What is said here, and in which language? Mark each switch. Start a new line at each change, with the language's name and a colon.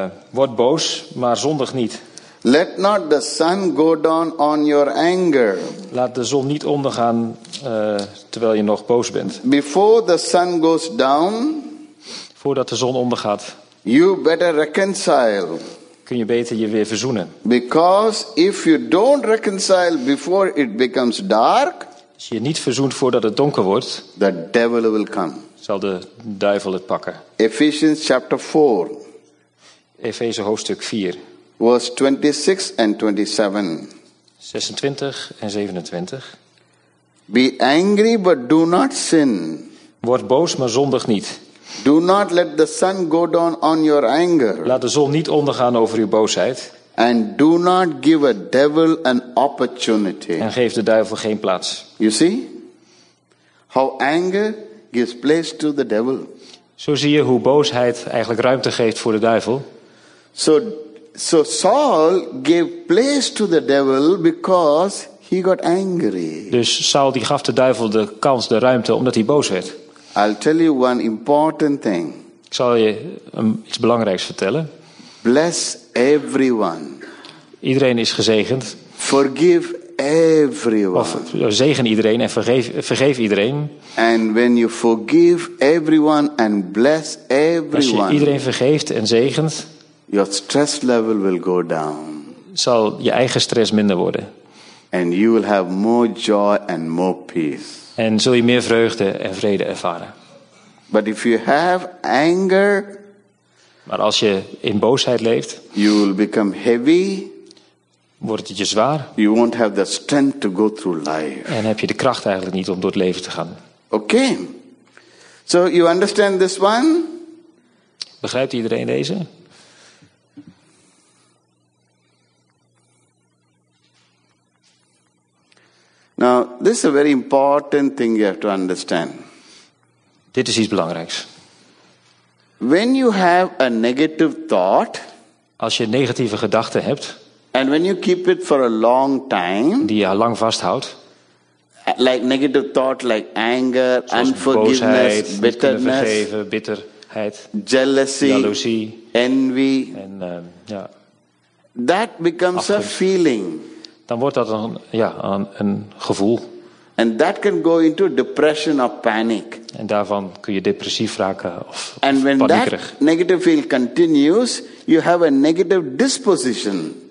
Dutch: Word boos, maar zondig niet.
English: Let not the sun go down on your anger.
Dutch: Laat de zon niet ondergaan terwijl je nog boos bent.
English: Before the sun goes down,
Dutch: voordat de zon ondergaat,
English: you better reconcile.
Dutch: Kun je beter je weer verzoenen.
English: Because if you don't reconcile before it becomes dark,
Dutch: als je niet verzoent voordat het donker wordt,
English: the devil will come.
Dutch: Zal de duivel het pakken.
English: Ephesians chapter 4.
Dutch: Efeze hoofdstuk 4.
English: Verse 26 and 27.
Dutch: 26 en 27.
English: Be angry but do not sin.
Dutch: Word boos maar zondig niet.
English: Do not let the sun go down on your anger.
Dutch: Laat de zon niet ondergaan over uw boosheid.
English: And do not give a devil an opportunity.
Dutch: En geef de duivel geen plaats.
English: You see? How anger gives place to the devil.
Dutch: Zo zie je hoe boosheid eigenlijk ruimte geeft voor de duivel.
English: So Saul gave place to the devil because he got angry.
Dutch: Dus Saul die gaf de duivel de kans, de ruimte, omdat hij boos werd.
English: I'll tell you one important thing.
Dutch: Ik zal je iets belangrijks vertellen.
English: Bless everyone.
Dutch: Iedereen is gezegend.
English: Forgive everyone.
Dutch: Of zegen iedereen en vergeef iedereen.
English: And when you forgive everyone and bless everyone.
Dutch: Als je iedereen vergeeft en zegent,
English: your stress level will go down.
Dutch: Zal je eigen stress minder worden.
English: And you will have more joy and more peace.
Dutch: En zul je meer vreugde en vrede ervaren.
English: But if you have anger,
Dutch: maar als je in boosheid leeft,
English: you will become heavy,
Dutch: wordt het je zwaar.
English: You won't have the strength to go through life.
Dutch: En heb je de kracht eigenlijk niet om door het leven te gaan.
English: Okay. So you understand this one?
Dutch: Begrijpt iedereen deze?
English: Now, this is a very important thing you have to understand.
Dutch: Dit is iets belangrijks.
English: When you have a negative thought,
Dutch: als je een negatieve gedachte hebt,
English: and when you keep it for a long time,
Dutch: die je lang vasthoudt,
English: like negative thought, like anger,
Dutch: zoals
English: unforgiveness,
Dutch: boosheid, niet kunnen vergeven, bitterheid,
English: jealousy,
Dutch: jaloezie,
English: envy,
Dutch: en,
English: that becomes a feeling.
Dutch: Dan wordt dat een gevoel.
English: And that can go into depression or panic.
Dutch: En daarvan kun je depressief raken of paniekerig.
English: And when that negative feel continues, you have a negative disposition.